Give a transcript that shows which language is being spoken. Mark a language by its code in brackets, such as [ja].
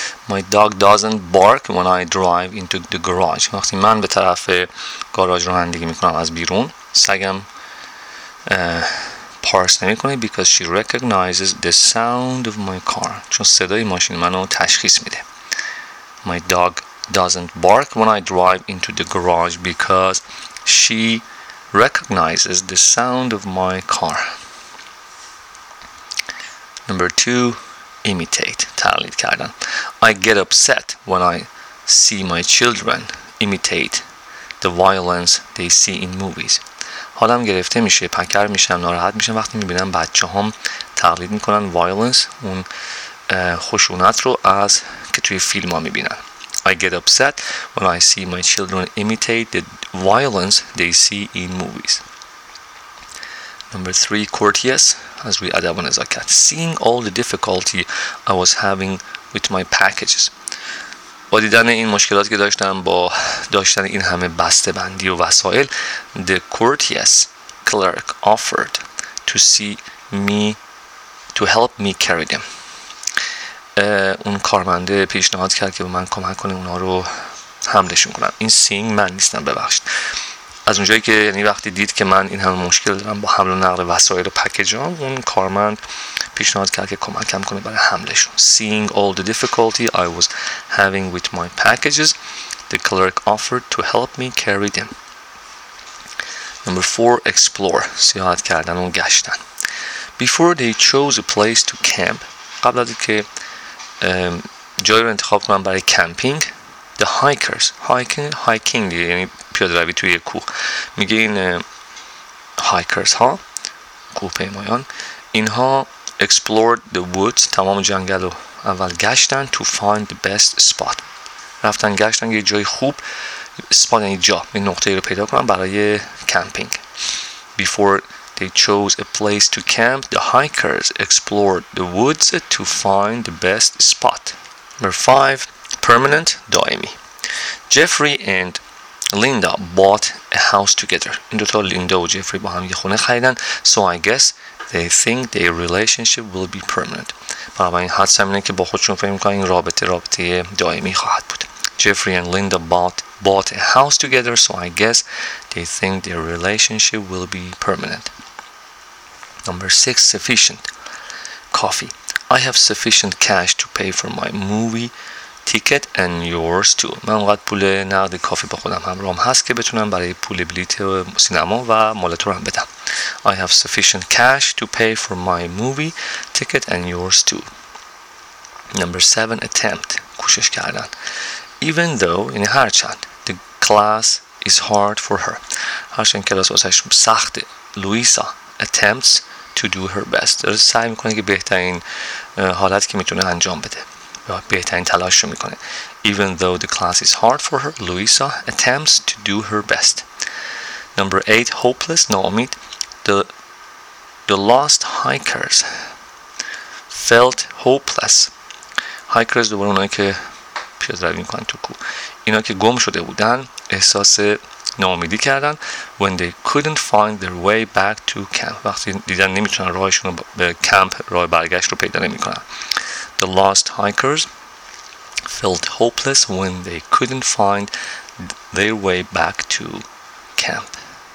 [en] My dog doesn't bark when I drive into the garage. [fa] وقتی من به طرف گاراژ رانندگی میکنم از بیرون، سگم پارس نمیکنه. [en] Because she recognizes the sound of my car. [fa] چون صدای ماشین منو تشخیص میده. [en] My dog doesn't bark when I drive into the garage because she recognizes the sound of my car. Number 2, imitate, [fa] تقلید کردن. [en] I get upset when I see my children imitate the violence they see in movies. [fa] حالم گرفته میشه، پکر میشم، ناراحت میشم وقتی میبینم بچه‌هام تقلید میکنن violence، اون خشونت رو از که توی فیلم ها میبینن. [en] I get upset when I see my children imitate the violence they see in movies. Number 3, courteous, [fa] از روی ادب و نزاکت. [en] Seeing all the difficulty I was having with my packages. [fa] با دیدن این مشکلات که داشتم با داشتن این همه بسته بندی و وسایل، [en] the courteous clerk offered to see me to help me carry them. [fa] اون کارمنده پیشنهاد کرد که به من کمک کنه اونا رو حملشون کنم. این seeing من نیستم، ببخشید. از اونجایی که یعنی وقتی دید که من این همه مشکل دارم با حمل و نقل وسایل و پکیجام، اون کارمند پیشنهاد کرد که کمکم کنه برای حملشون. [en] Seeing all the difficulty I was having with my packages, the clerk offered to help me carry them. Number 4, explore, [fa] سیاحت کردن و گشتن. [en] Before they chose a place to camp, [fa] قبل از اینکه جایی رو انتخاب کنن برای کمپینگ، [en] the hikers, hiking [fa] یعنی پیاده روی توی کوه، میگه این hikers ها، کوه پیمایان، اینها [en] explored the woods، [fa] تمام جنگل رو اول گشتن. [en] To find the best spot، [fa] رفتن گشتن یه جای خوب، spot یعنی جا، این نقطه رو پیدا کنن برای کمپینگ. [en] Before they chose a place to camp, the hikers explored the woods to find the best spot. Number 5, permanent, [fa] دائمی. [en] Jeffrey and Linda bought a house together. [fa] این دوتا لیندا و جفری با هم یه خونه خریدن. [en] So I guess they think their relationship will be permanent. [fa] بنابراین حدسم اینه که با خودشون فکر میکنن این رابطه دائمی خواهد بود. [en] Jeffrey and Linda bought a house together. So I guess they think their relationship will be permanent. Number 6, sufficient, coffee. I have sufficient cash to pay for my movie ticket and yours too. [fa] من اونقدر پول نقد کافی با خودم همراهم هست که بتونم برای پول بلیط سینما و مال تو هم بدم. [en] I have sufficient cash to pay for my movie ticket and yours too. Number 7, attempt, [fa] کوشش کردن. [en] Even though, in هرچند, the class is hard for her. [fa] هرچند کلاس واسش سخته. [en] Louisa attempts to do her best. [fa] داره سعی میکنه که بهترین حالت که میتونه انجام بده. بهترین تلاش رو میکنه. [en] Even though the class is hard for her, Louisa attempts to do her best. Number 8, hopeless, [fa] ناامید. [en] The lost hikers felt hopeless. [fa] Hikers دوباره اونایی که پیاده روی میکنن تو کوه. اینا که گم شده بودن احساس ناامیدی کردن. [en] When they couldn't find their way back to camp. [fa] وقتی دیدن نمیتونن راهشون رو به کمپ، راه برگشت رو پیدا نمیکنن. [en] The lost hikers felt hopeless when they couldn't find their way back to camp.